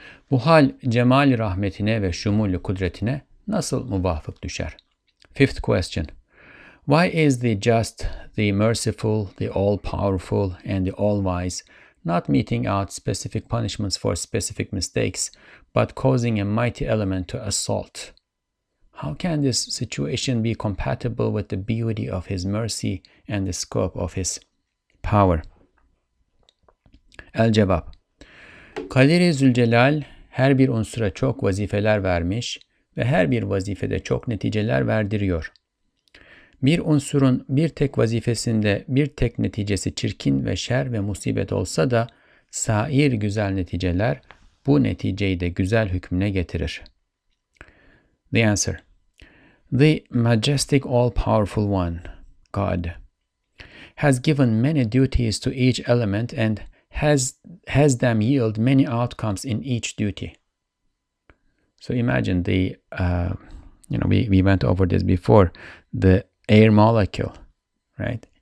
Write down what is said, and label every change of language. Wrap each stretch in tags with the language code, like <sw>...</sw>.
<tr>Bu hal cemal rahmetine ve şumul-i kudretine nasıl muvafık düşer?</tr> <en>Fifth question. Why is the just, the merciful, the all-powerful, and the all-wise not meting out specific punishments for specific mistakes, but causing a mighty element to assault? How can this situation be compatible with the beauty of His mercy and the scope of His power?</en> <tr>El-Cevap. Kadir-i Zülcelal her bir unsura çok vazifeler vermiş ve her bir vazifede çok neticeler verdiriyor. Bir unsurun bir tek vazifesinde bir tek neticesi çirkin ve şer ve musibet olsa da sair güzel neticeler bu neticeyi de güzel hükmüne getirir.</tr> <en>The answer. The majestic all-powerful one, God, has given many duties to each element and has them yield many outcomes in each duty. So imagine the, you know, we went over this before, the air molecule, right?</en>